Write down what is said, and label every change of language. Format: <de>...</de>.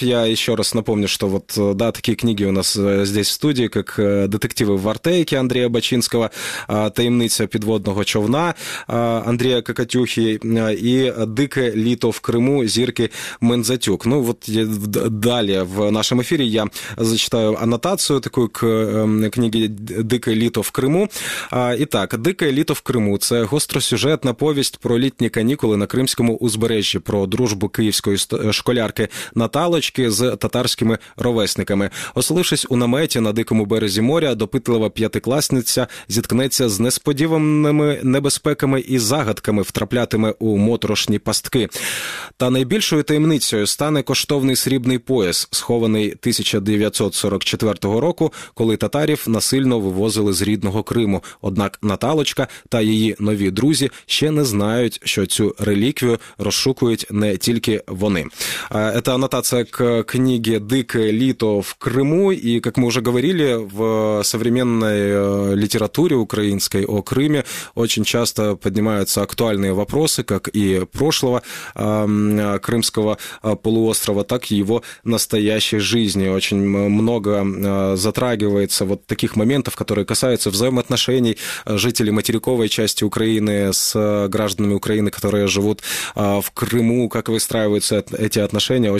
<ru>Я еще раз напомню, что вот, да, такие книги у нас здесь в студии, как «Детективы в Артейке» Андрея Бачинского, «Таємниця підводного човна» Андрея Кокотюхи и «Дике літо в Криму» Зірки Мендзатюк. Ну вот далее в нашем эфире я зачитаю аннотацию такую к книге «Дике літо в Криму». Итак, «Дике літо в Криму» – це гостросюжетна повість про літні канікули на Кримському узбережжі, про дружбу київської школярки Наталочки з татарськими ровесниками. Оселившись у наметі на дикому березі моря, допитлива п'ятикласниця зіткнеться з несподіваними небезпеками і загадками, втраплятиме у моторошні пастки. Та найбільшою таємницею стане коштовний срібний пояс, схований 1944 року, коли татарів насильно вивозили з рідного Криму. Однак Наталочка та її нові друзі ще не знають, що цю реліквію розшукують не тільки вони.</ru> <uk>Це анотація</uk> <ru>к книге «Дикое лето в Крыму». И, как мы уже говорили, в современной литературе украинской о Крыме очень часто поднимаются актуальные вопросы, как и прошлого Крымского полуострова, так и его настоящей жизни. Очень много затрагивается вот таких моментов, которые касаются взаимоотношений жителей материковой части Украины с гражданами Украины, которые живут в Крыму, как выстраиваются эти отношения.</ru>